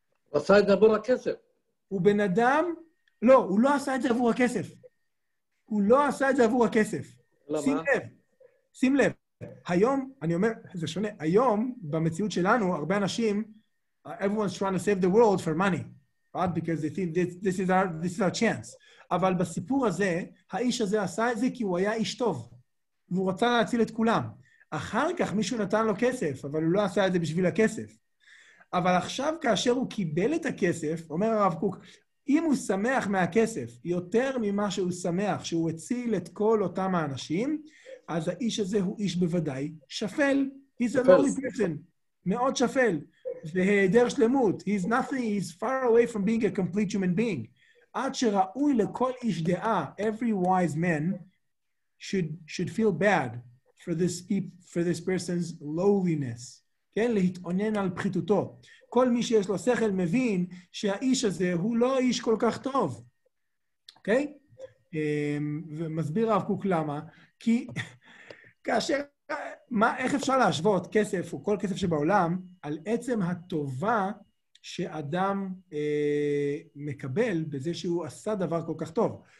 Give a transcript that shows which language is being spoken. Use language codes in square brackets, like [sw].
[he] הוא עשה את זה עבור הכסף. הוא בן אדם? לא, הוא לא עשה את זה עבור הכסף. הוא לא עשה את זה עבור הכסף. למה? שים לב, שים לב. היום, אני אומר, זה שונה, היום, במציאות שלנו, הרבה אנשים, [en] everyone's trying to save the world for money, right? Because they think this is our chance. [he] אבל בסיפור הזה, האיש הזה עשה את זה כי הוא היה איש טוב, והוא רצה להציל את כולם. אחר כך מישהו נתן לו כסף, אבל הוא לא עשה את זה בשביל הכסף. אבל עכשיו, כאשר הוא קיבל את הכסף, אומר הרב קוק, אם הוא שמח מהכסף יותר ממה שהוא שמח, שהוא הציל את כל אותם האנשים, אז האיש הזה הוא איש בוודאי שפל. [en] He's a lonely person. [he] מאוד שפל. והיעדר שלמות. [en] He's nothing, he's far away from being a complete human being. [he] עד שראוי לכל איש דעה, [en] every wise man should feel bad for this person's lowliness. [he] כן? להתעונן על פחיתותו. כל מי שיש לו שכל מבין שהאיש הזה הוא לא איש כל כך טוב. אוקיי? ומסביר רב קוק למה. כי כאשר, מה, איך אפשר להשוות כסף או כל כסף שבעולם על עצם הטובה שאדם מקבל בזה שהוא עשה דבר כל כך טוב?